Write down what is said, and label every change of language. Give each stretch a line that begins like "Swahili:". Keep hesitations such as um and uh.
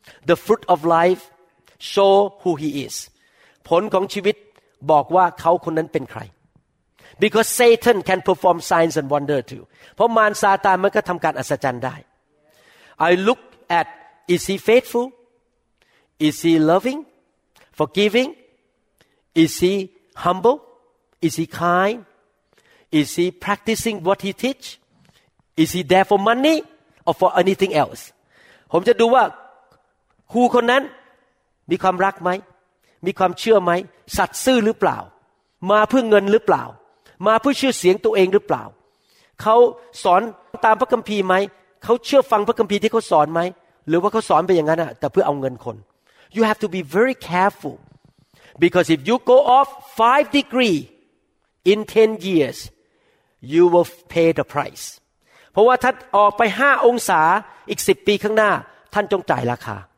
English: The fruit of life show who he is
Thai: ผลของชีวิตบอกว่าเขาคนนั้นเป็นใคร
English: Because Satan can perform signs and wonder too
Thai: เพราะมารซาตานมันก็ทำการอัศจรรย์ได้
English: I look at is he faithful is he loving forgiving is he humble Is he kind? Is he practicing what he teach? Is he there for money or for anything else?
Thai: ผมจะดูว่าครูคนนั้นมีความรักไหมมีความเชื่อไหมสัตว์ซื่อหรือเปล่า มาเพื่อเงินหรือเปล่า มาเพื่อชื่อเสียงตัวเองหรือเปล่า เขาสอนตามพระคัมภีร์ไหมเขาเชื่อฟังพระคัมภีร์ที่เขาสอนไหมหรือว่าเขาสอนไปอย่างนั้นอะแต่เพื่อเอาเงินคน
English: you have to be very careful because if you go off five degree in 10 years you will pay the price
Thai: เพราะว่าถ้าออกไปห้าองศาอีกสิปีข้างหน้าท่านจงจ่ายราคา